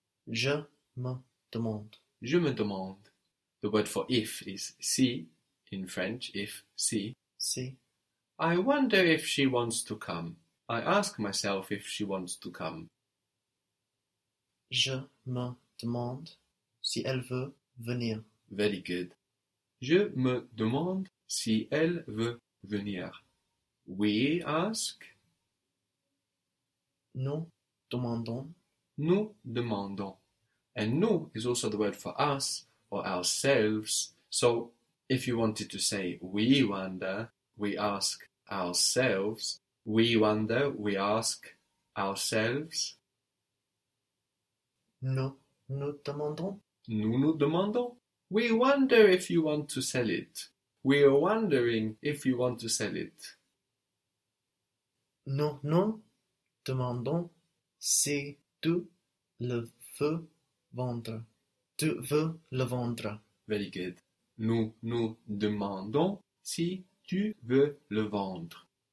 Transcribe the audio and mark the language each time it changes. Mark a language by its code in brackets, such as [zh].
[fr] Je me demande. Je me demande. [en] The word for if is si in French, if, si. [fr] Si. [en] I wonder if she wants to come. I ask myself if she wants to come. [fr] Je me demande si elle veut venir. [en] Very good. [fr] Je me demande si elle veut venir. [en] We ask. [fr] Nous demandons. Nous demandons. [en] And nous is also the word for us or ourselves. So if you wanted to say we wonder, we ask ourselves. We wonder, we ask ourselves. [fr] Nous nous demandons. Nous nous demandons. [en] We wonder if you want to sell it. We are wondering if you want to sell it. [fr] Nous nous demandons si tu le veux vendre. Tu veux le vendre. [en] Very good. [fr] Nous nous demandons si tu veux le vendre.